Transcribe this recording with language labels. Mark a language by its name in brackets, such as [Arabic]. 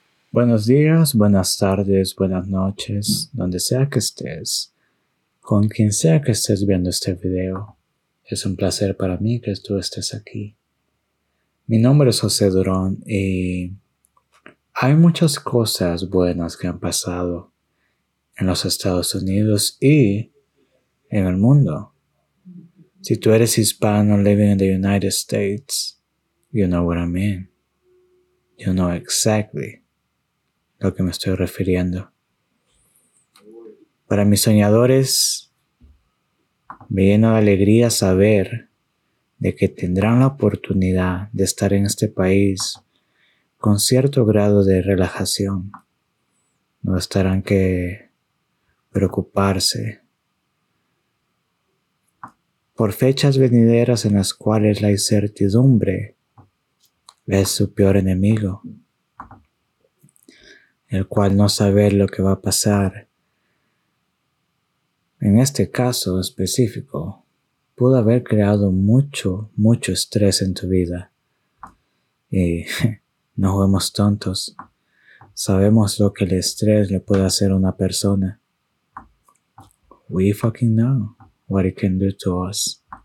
[Spanish] Buenos días, buenas tardes, buenas noches, donde sea que estés, con quien sea que estés viendo este video. Es un placer para mí que tú estés aquí. Mi nombre es José Durón y hay muchas cosas buenas que han pasado en los Estados Unidos y en el mundo. Si tú eres hispano [English] living in the United States, you know what I mean. You know exactly [Spanish] lo que me estoy refiriendo. Para mis soñadores, me lleno de alegría saber de que tendrán la oportunidad de estar en este país con cierto grado de relajación. No estarán que preocuparse por fechas venideras en las cuales la incertidumbre es su peor enemigo, el cual no saber lo que va a pasar. En este caso específico, pudo haber creado mucho, mucho estrés en tu vida. Y no somos tontos. Sabemos lo que el estrés le puede hacer a una persona. [English] We fucking know what it can do to us.